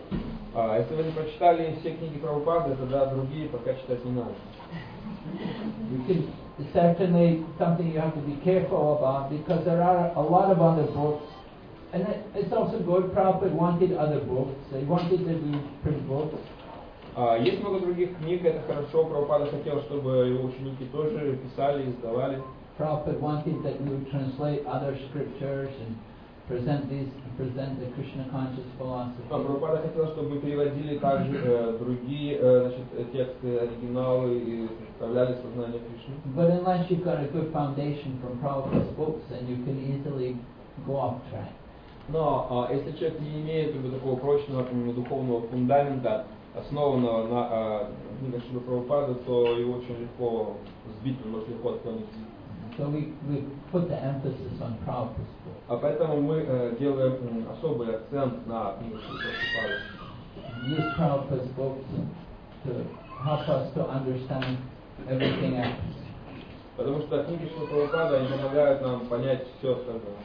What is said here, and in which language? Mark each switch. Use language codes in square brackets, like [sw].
[en] If you haven't read all the books of Prabhupada, then other books you shouldn't read. You can certainly something you have to be careful about because there are a lot of other books And it's also good. Prabhupada wanted other books. He wanted that we print books. [ru] Есть много других книг, это хорошо. Прабхупада хотел, чтобы его ученики тоже писали, издавали. [en] Prabhupada wanted that we would translate other scriptures and present the Krishna conscious philosophy. [ru] Прабхупада хотел, чтобы переводили также другие тексты, оригиналы и представляли сознание Кришны. [en] But unless you've got a good foundation from Prabhupada's books, then you can easily go off track. [ru] Но если человек не имеет как бы, такого прочного духовного фундамента, основанного на книгах Шрилы Прабхупады, то его очень легко сбить, он может легко отклониться. [en] So we put the emphasis on Prabhupada's book. [ru] А поэтому мы делаем особый акцент на книгах Шрилы Прабхупады. [en] Use Prabhupada's books to help us to understand everything else. [ru] Потому что книги Шрилы Прабхупады помогают нам понять все остальное.